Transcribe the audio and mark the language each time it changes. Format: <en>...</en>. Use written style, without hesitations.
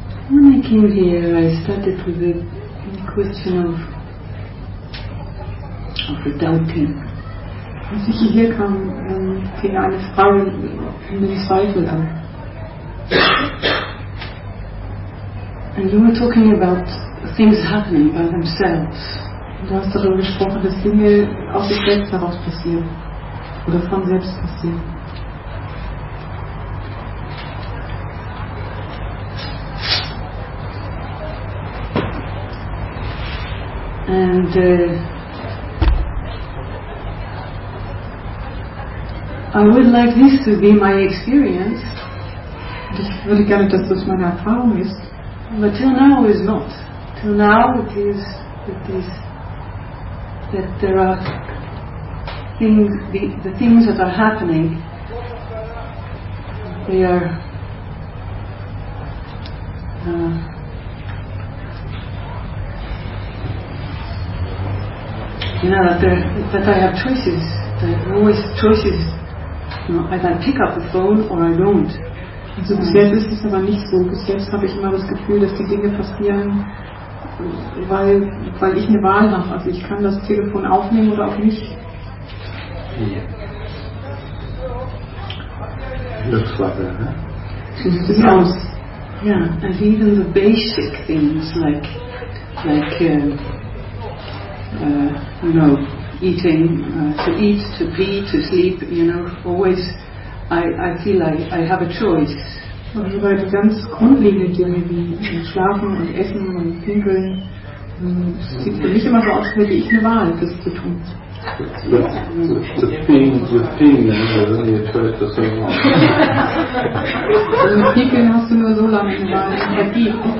<en>When I came here, I started with the question of the doubting.</en> <de>Als ich hierher kam, fing eine Frage mit dem Zweifel an.</de> <en>And you were talking about things happening by themselves.</en> <de>Du hast darüber gesprochen, dass Dinge aus sich selbst heraus passieren oder von selbst passieren.</de> <en>And I would like this to be my experience.</en> <de>Das würde gerne, dass das meine Erfahrung ist.</de> <en>But till now it is not. Till now it is that there are things, the things that are happening, they are you know, that I have choices. There are always choices. You know, either I pick up the phone or I don't.</en> <de>Und so bis jetzt ist es aber nicht so. Bis jetzt habe ich immer das Gefühl, dass die Dinge passieren, weil ich eine Wahl habe. Also ich kann das Telefon aufnehmen oder auch nicht.</de> <en>Looks like that, huh? Sounds. Yeah, and even the basic things eating, to eat, to pee, to sleep, you know, always I feel like I have a choice.</en> <de>Und so weiter, ganz grundlegende Dinge wie Schlafen und Essen und Pinkeln, sieht für mich immer so aus, als hätte ich eine Wahl, das zu tun.</de> <en>The</en> <de>pinkeln hast du nur so lange eine Wahl, ich hab die.</de>